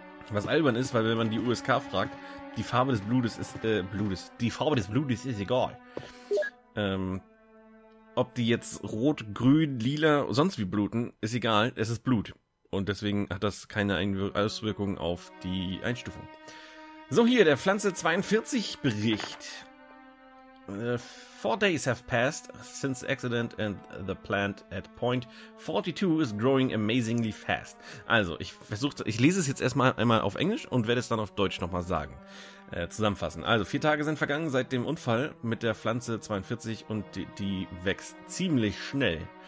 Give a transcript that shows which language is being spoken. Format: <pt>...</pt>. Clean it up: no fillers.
<de>Was albern ist, weil wenn man die USK fragt, die Farbe des Blutes ist, die Farbe des Blutes ist egal. Ob die jetzt rot, grün, lila, sonst wie bluten, ist egal, es ist Blut. Und deswegen hat das keine Auswirkung auf die Einstufung. So, hier, der Pflanze 42 Bericht.</de> <en>4 days have passed since accident and the plant at point 42 is growing amazingly fast.</en> <de>Also, ich lese es jetzt erstmal einmal auf Englisch und werde es dann auf Deutsch nochmal sagen. Zusammenfassen. Also, 4 Tage sind vergangen seit dem Unfall mit der Pflanze 42 und die wächst ziemlich schnell.</de>